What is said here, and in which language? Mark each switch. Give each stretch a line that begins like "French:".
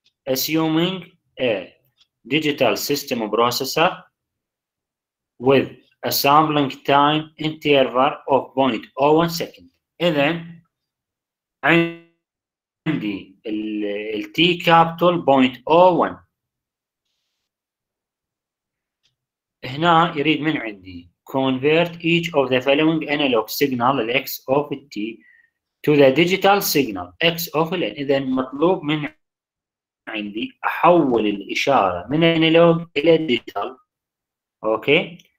English: Assuming a digital system processor with a sampling time interval of 0.01 second.
Arabic: إذن عندي ال T capital 0.01 هنا يريد من عندي
English: convert each of the following analog signal x of t to the digital signal x of t.
Arabic: إذا مطلوب من عندي أحول الإشارة من analog إلى digital. أوكي.